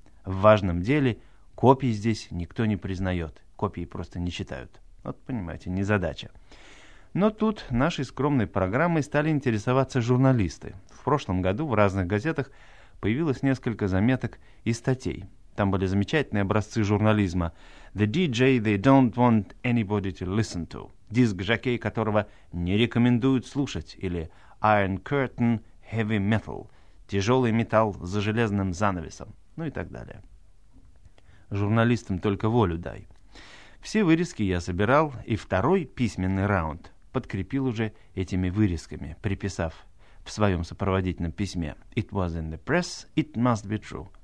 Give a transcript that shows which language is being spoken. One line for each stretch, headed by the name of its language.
Russian: В важном деле копии здесь никто не признает, копии просто не читают. Вот, понимаете, незадача. Но тут нашей скромной программой стали интересоваться журналисты. В прошлом году в разных газетах появилось несколько заметок и статей. Там были замечательные образцы журнализма.
English: The DJ they don't want anybody to listen to.
Russian: Диск жокей, которого не рекомендуют слушать.
English: Или Iron Curtain Heavy Metal.
Russian: Тяжелый металл за железным занавесом. Ну и так далее. Журналистам только волю дай. Все вырезки я собирал, и второй письменный раунд подкрепил уже этими вырезками, приписав в своем сопроводительном письме
English: «It was in the press, it must be true».